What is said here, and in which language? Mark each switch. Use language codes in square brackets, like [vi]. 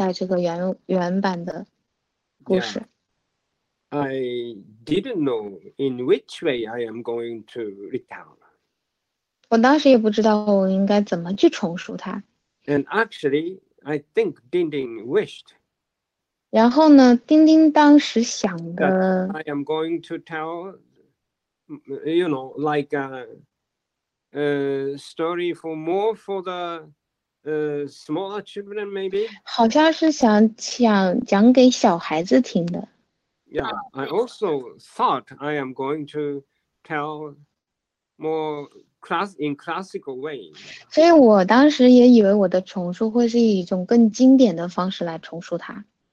[zh] 当时我很快速读了一下这个原版的故事。 [en] Yeah. I didn't know in which way I am going to retell. [zh] 我当时也不知道我应该怎么去重述它。 [en] And actually, I think Dindin wished. [zh] 然后呢，丁丁当时想的。 [en] I am going to tell, you know, like a story for more for the smaller children, maybe. [zh] 好像是想讲给小孩子听的。 [en] Yeah, I also thought I am going to tell more. In classical way. [zh] 所以我当时也以为我的重述会是以一种更经典的方式来重述它。